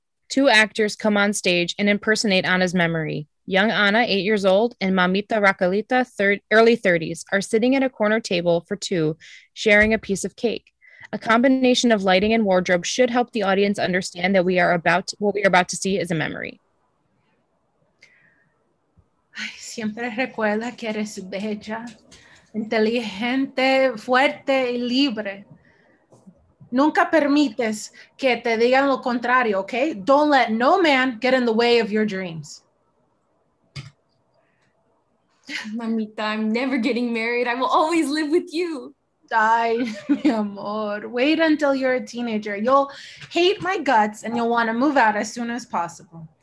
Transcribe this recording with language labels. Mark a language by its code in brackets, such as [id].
[en] Two actors come on stage and impersonate Anna's memory. Young Anna, 8 years old, and Mamita Racalita, early 30s, are sitting at a corner table for two, sharing a piece of cake. A combination of lighting and wardrobe should help the audience understand that what we are about to see is a memory. [es] Ay, siempre recuerda que eres bella, inteligente, fuerte y libre. Nunca permites que te digan lo contrario, okay? [en] Don't let no man get in the way of your dreams. Mamita, I'm never getting married. I will always live with you. [es] Ay, mi amor, [en] wait until you're a teenager. You'll hate my guts and you'll want to move out as soon as possible.